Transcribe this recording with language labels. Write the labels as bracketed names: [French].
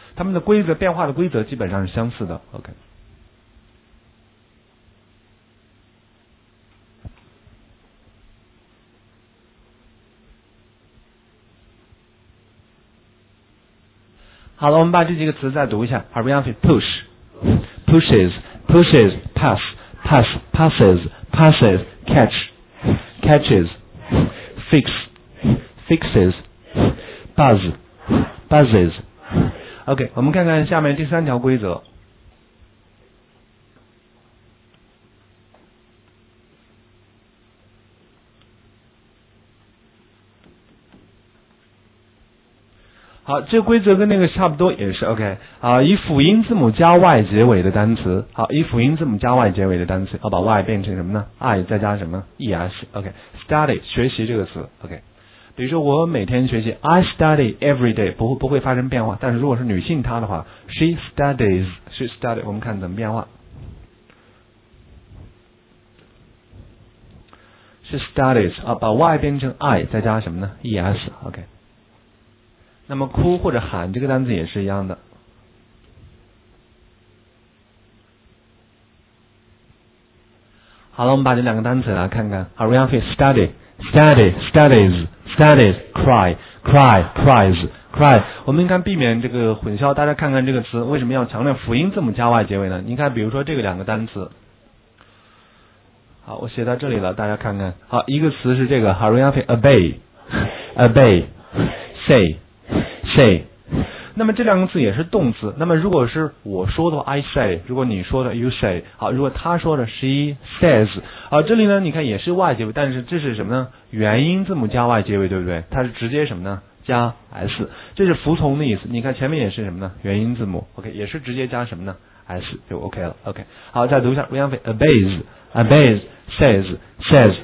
[Chinese] 它们的规则变化的规则基本上是相似的。 OK。好了，我们把这几个词再读一下。 [English] Are we on for push? Pushes, pushes, pass, pass, passes, passes, catch, catches, fix, fixes, buzz, buzzes. [Chinese] OK, 我们看看下面第三条规则。好，这个规则跟那个差不多，也是 OK 啊。以辅音字母加 y 结尾的单词，好，以辅音字母加 y 结尾的单词，要把 y 变成什么呢 ？i 再加什么 ？es OK study 学习这个词 OK。比如说我每天学习 ， I study every day，不会发生变化。但是如果是女性她的话 ， she studies，我们看怎么变化 ，she studies 啊，把 y 变成 i 再加什么呢 ？es OK。那么哭或者喊这个单词也是一样的。好了，我们把这两个单词来看看。 [English] Are we on for study? Study, studies, studies, cry, cry, cries, cry. [Chinese] 我们应该避免这个混淆，大家看看这个词为什么要强调辅音字母加 y 结尾呢？你看，比如说这个两个单词。好，我写到这里了，大家看看。好，一个词是这个 ， Are we on for obey? [English] Obey, say. [Chinese] say， 那么这两个词也是动词。那么如果是我说的话 ， I say； 如果你说的 ， You say。好，如果他说的 ， She says。好，这里呢，你看也是 y 结尾，但是这是什么呢？元音字母加 y 结尾，对不对？它是直接什么呢？加 s， 这是服从的意思。你看前面也是什么呢？元音字母 ，OK， 也是直接加什么呢 ？s 就 OK 了。 [English] OK，好，再读一下，We have obeys， obeys， says， says。